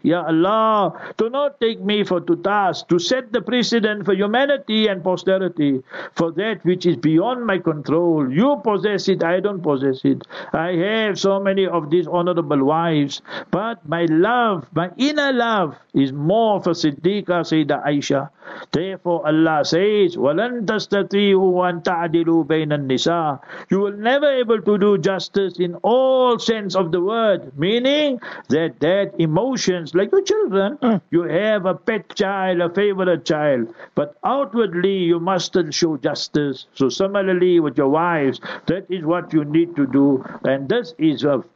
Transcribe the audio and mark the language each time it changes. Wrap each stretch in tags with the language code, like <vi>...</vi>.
<en>Ya Allah, do not take me for to task, to set the precedent for humanity and posterity for that which is beyond my control. You possess it, I don't possess it. I have so many of these honorable wives, but my love, my inner love is more for Siddiqa Sayyidina Aisha. Therefore Allah says,</en> <ar>وَلَن تَسْتَطِيهُ وَأَن تَعْدِلُوا بَيْنَ النِّسَاءِ.</ar> <en>You will never able to do justice in all sense of the word, meaning that emotions, like your children, you have a pet child, a favorite child, but outwardly you must show justice. So similarly with your wives, that is what you need to do. And this is a</en>